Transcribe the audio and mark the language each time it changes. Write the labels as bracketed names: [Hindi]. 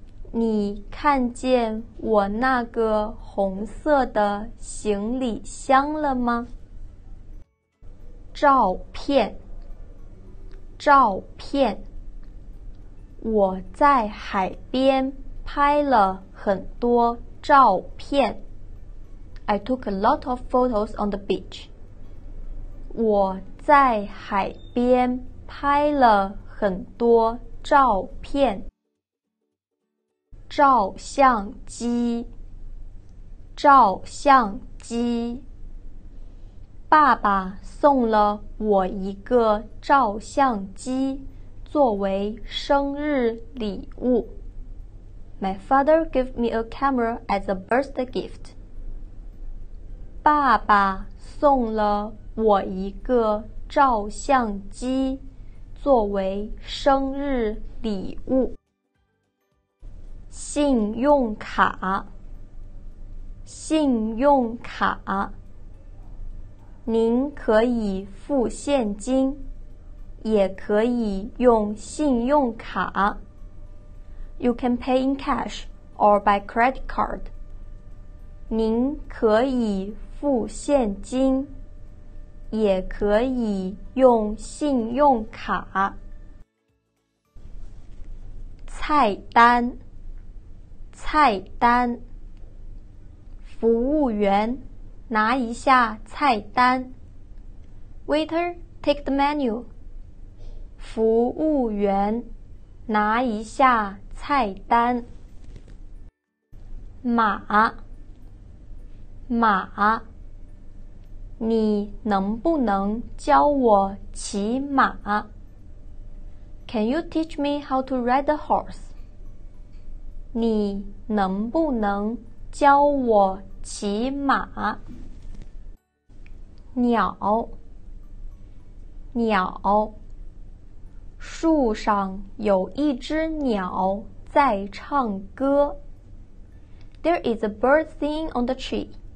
[Chinese] 你看见我那个红色的行李箱了吗？照片，照片。我在海边拍了很多照片。 [English] I took a lot of photos on the beach. [Chinese] 我在海边拍了很多照片。照相机，照相机。爸爸送了我一个照相机作为生日礼物。 [English] My father gave me a camera as a birthday gift. [Chinese] 爸爸送了我一个照相机作为生日礼物。信用卡，信用卡。您可以付现金，也可以用信用卡。 [English] You can pay in cash or by credit card. [Chinese] 您可以付现金，也可以用信用卡。菜单，菜单。服务员，拿一下菜单。 [English] Waiter, take the menu. [Chinese] 服务员，拿一下菜单。马，马，你能不能教我骑马？ [English] Can you teach me how to ride a horse? [Chinese] 你能不能教我骑马？鸟，鸟，树上有一只鸟在唱歌。 [English] There is a bird singing on the tree.